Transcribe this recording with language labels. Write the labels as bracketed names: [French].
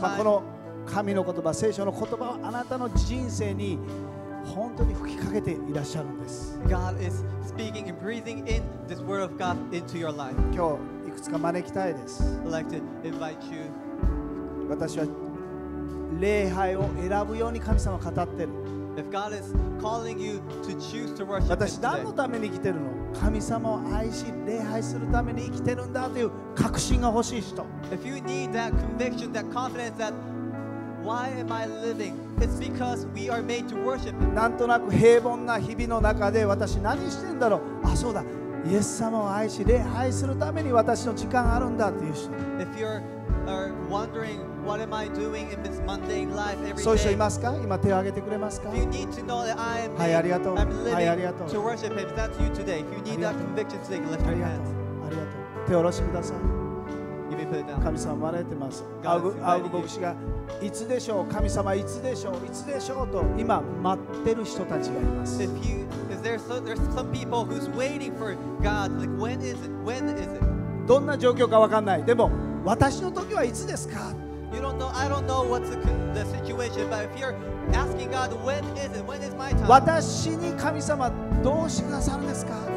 [Japanese] 神様この神の言葉、聖書の言葉をあなたの人生に本当に吹きかけていらっしゃるんです。 [English] God is speaking and breathing in this word of God into your life. [Japanese] 今日いくつか招きたいです。 [English] I'd like to invite you. [Japanese] 私は礼拝を選ぶように神様語ってる。 [English] If God is calling you to choose to worship [Japanese] today, 私何のために生きてるの？神様を愛し礼拝するために生きてるんだという確信が欲しい人。 [English] If you need that conviction, that confidence, that why am I living? It's because we are made to worship. [Japanese] なんとなく平凡な日々の中で私何してんだろう？あ、そうだ。イエス様を愛し礼拝するために私の時間あるんだという人。 [English] If you're wondering. What am I doing in this mundane life every day? [Japanese] そういう人いますか？今手を挙げてくれますか？ [English] You need to know that I am [Japanese] living, はい、ありがとう。 [English] I'm living、 [Japanese] はい、ありがとう。 [English] To worship Him. That's you today. If you need that conviction today, lift your hands. [Japanese] ありがとう。手を下ろしてください。 [English] You may put it down. [Japanese] 神様は招いてます。 [English] God is inviting [Japanese] you. 青牧師がいつでしょう？神様いつでしょう？いつでしょう？と今待ってる人たちがいます。 [English] If you, is there so, there's some people who's waiting for God. Like, when is it? When is it? どんな状況かわかんない。でも私の時はいつですか？ You don't know, I don't know what's the situation, but if you're asking God, when is it? When is my time? [Japanese] 私に神様どうしてくださるんですか？